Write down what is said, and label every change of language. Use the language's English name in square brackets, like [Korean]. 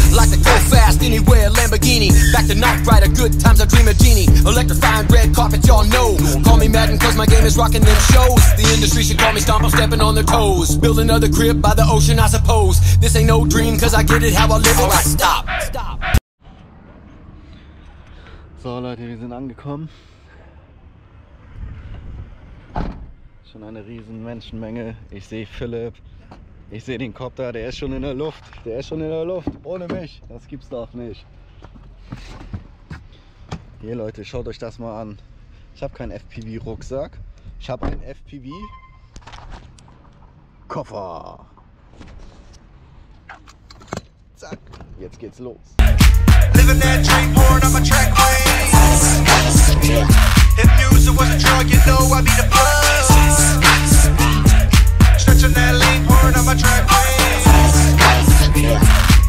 [English] Like to go fast anywhere, Lamborghini. Back to Knight Rider, good times, I dream of genie. Electrifying red carpet, y'all know. Call me Madden, cause my game is rocking them shows. The industry should call me Stomp, I'm stepping on their toes. Build another crib by the ocean, I suppose. This ain't no dream, cause I get it how I live it. Stop. [German] So Leute, wir sind angekommen. Schon eine riesen Menschenmenge. Ich sehe Philipp. Ich sehe den Copter, der ist schon in der Luft. Der ist schon in der Luft. Ohne mich. Das gibt's doch nicht. Hier Leute, schaut euch das mal an. Ich habe keinen FPV-Rucksack. Ich habe einen FPV-Koffer. Zack, jetzt geht's los. [English] Living that dream, pouring on my track veins. If music was a drug, you know I'd be the buzz. Stretching that lean, pouring on my track veins.